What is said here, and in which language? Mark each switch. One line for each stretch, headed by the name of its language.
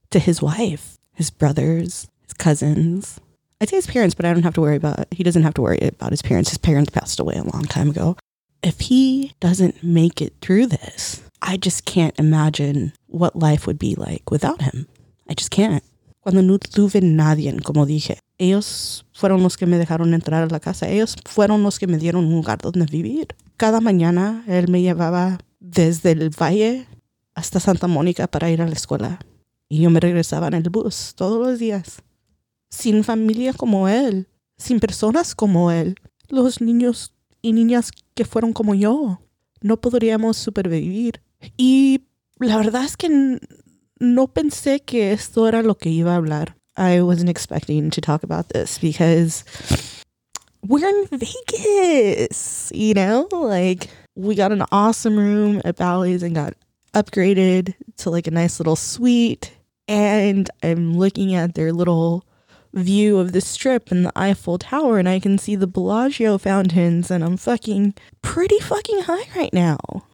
English: To his wife, his brothers, his cousins. I'd say his parents, but I don't have to worry about, he doesn't have to worry about his parents. His parents passed away a long time ago. If he doesn't make it through this, I just can't imagine what life would be like without him. I just can't.
Spanish: Cuando no tuve nadie, como dije, ellos fueron los que me dejaron entrar a la casa. Ellos fueron los que me dieron un lugar donde vivir. Cada mañana, él me llevaba desde el Valle hasta Santa Mónica para ir a la escuela. Y yo me regresaba en el bus todos los días. Sin familia como él, sin personas como él, Los niños y niñas que fueron como yo no podríamos supervivir. Y la verdad es que no pensé que esto era lo que iba a hablar.
English: I wasn't expecting to talk about this because we're in Vegas, you know? Like, we got an awesome room at Bally's and got upgraded to like a nice little suite. And I'm looking at their little view of the strip and the Eiffel Tower, and I can see the Bellagio fountains, and I'm fucking pretty fucking high right now.